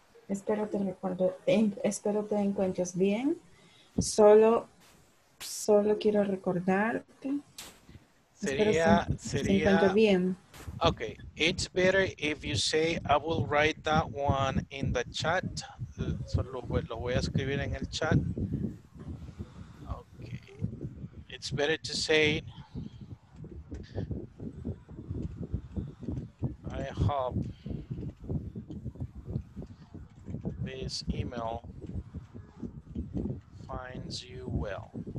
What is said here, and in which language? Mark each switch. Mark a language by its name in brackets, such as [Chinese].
[Spanish] Espero te encuentres bien. Solo quiero recordarte. Sería bien. [English] Okay, it's better if you say I will write that one in the chat. [Spanish] Solo lo voy a escribir en el chat. Okay. [English] It's better to say I hope this email finds you well.